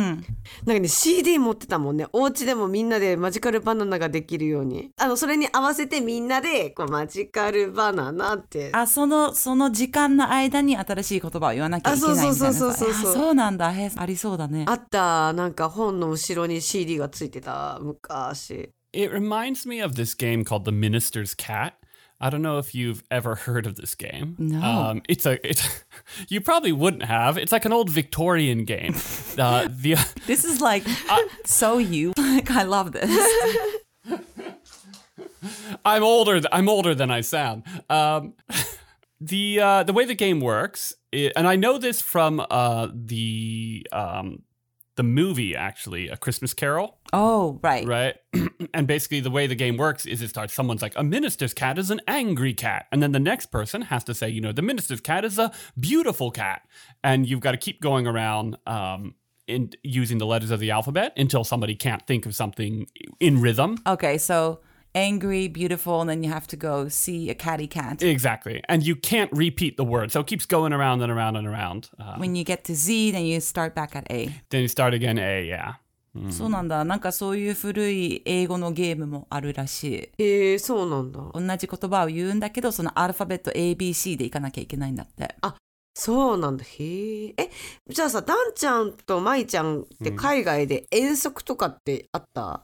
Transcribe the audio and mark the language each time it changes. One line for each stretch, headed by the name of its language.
Japanese: なんかね CD 持ってたもんね。お家でもみんなでマジカルバナナができるように、あのそれに合わせてみんなでこうマジカルバナナって、あ、その時間の間に新しい言葉を言わなきゃいけないみたいな。そうそうそうそうそう、そうなんだ。ありそうだね。あった、なんか本の後ろに CD がついてた昔。
English: It reminds me of this game called The Minister's Cat. I don't know if you've ever heard of this game. No. You probably wouldn't have. It's like an old Victorian game. This is like so you. Like, I love this. I'm older than I sound. The way the game works, and I know this from the movie, actually, A Christmas Carol. Oh, right. Right? And basically, the way the game works is it starts, someone's like, a minister's cat is an angry cat. And then the next person has to say, you know, the minister's cat is a beautiful cat. And you've got to keep going around in using the letters of the alphabet until somebody can't think of something in rhythm. Okay, so angry, beautiful, and then you have to go see a catty cat. Exactly. And you can't repeat the word. So it keeps going around and around and around. When you get to Z, then you start back at A. Then you start again A, yeah.
Japanese: そうなんだ。なんかそういう古い英語のゲームもあるらしい。へえ、そうなんだ。同じ言葉を言うんだけど、そのアルファベット ABC でいかなきゃいけないんだって。あ、そうなんだ。へえ。え、じゃあさ、ダンちゃんとマイちゃんって海外で遠足とかってあった？